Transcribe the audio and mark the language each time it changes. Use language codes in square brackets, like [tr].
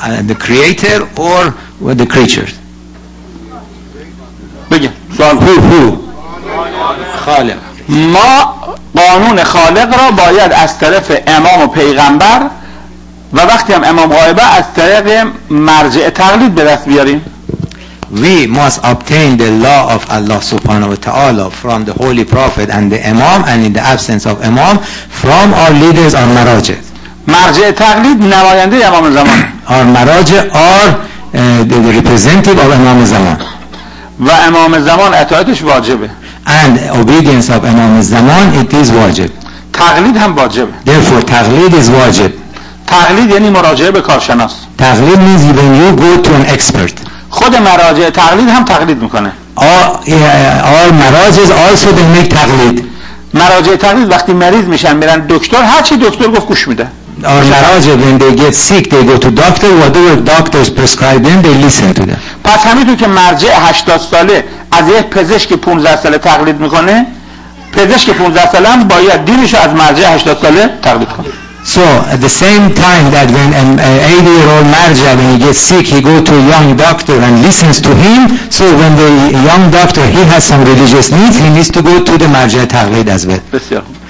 [en] The creator or the creatures? [fa] بگه سوال. [en] Who? [fa] خالق. ما قانون خالق را باید از طرف امام و پیغمبر و وقتی هم امام غایبه از طریق مرجع تقلید به دست بیاریم. [en] We must obtain the law of Allah subhanahu wa ta'ala from the holy prophet and the imam, and in the absence of imam, from our leaders or maraj. [fa] مرجع تقلید نماینده امام زمان. [en] Our maraj are the representative of امام زمان. [fa] و امام زمان اطاعتش واجبه. [en] And obedience of امام زمان, it is واجب. [fa] تقلید هم واجبه. [en] Therefore تقلید is واجب. [fa] تقلید یعنی مراجعه به کارشناس. [en] تقلید means when you go to an expert. [fa] خود مراجع تقلید هم تقلید میکنه. [en] All مراجعز also they make تقلید. [fa] مراجع تقلید وقتی مریض میشن میرن دکتر, هرچی دکتر گفت گوش میده. [en] All مراجع when they get sick they go to doctor, whatever doctors prescribe them they listen to them. [fa] پس همینطور که مرجع 80 ساله از یه پزشک 15 ساله تقلید میکنه, پزشک 15 ساله هم باید دینش از مرجع 80 ساله تقلید کنه. [en] So at the same time that when an 80 year old marj when he gets sick he goes to a young doctor and listens to him, so when the young doctor he has some religious needs he needs to go to the marj taqlid as well. [fa] بسیار.